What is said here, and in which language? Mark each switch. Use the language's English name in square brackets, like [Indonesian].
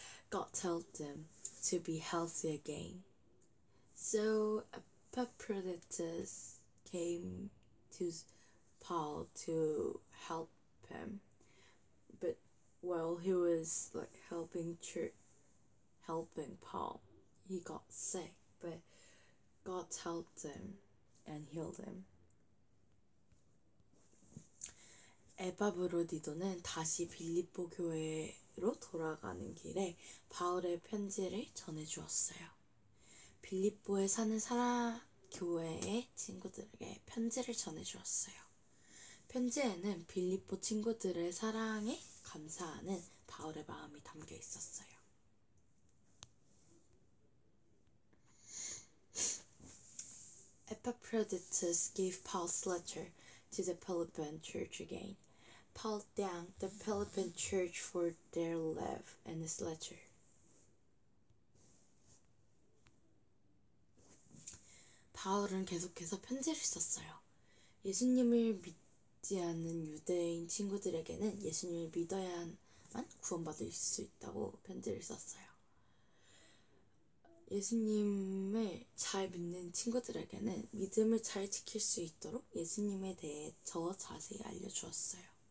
[English] God told them to be healthy again. So Epaphroditus came to Paul to help him, but while he was like helping Paul, he got sick, but God helped him and healed him. [Korean] 에파브로디도는 다시 빌립보 교회로 돌아가는 길에 바울의 편지를 전해주었어요. 빌립보에 사는 교회의 친구들에게 편지를 전해주었어요. 편지에는 빌립보 친구들의 사랑에 감사하는 바울의 마음이 담겨 있었어요. [English] 에파프로디토스 gave Paul's letter to the Philippian church again. Paul thanked the Philippian church for their love and his letter. [Korean] 바울은 계속해서 편지를 썼어요. 예수님을 믿지 않는 유대인 친구들에게는 예수님을 믿어야만 구원받을 수 있다고 편지를 썼어요. 예수님을 잘 믿는 친구들에게는 믿음을 잘 지킬 수 있도록 예수님에 대해 더 자세히 알려주었어요.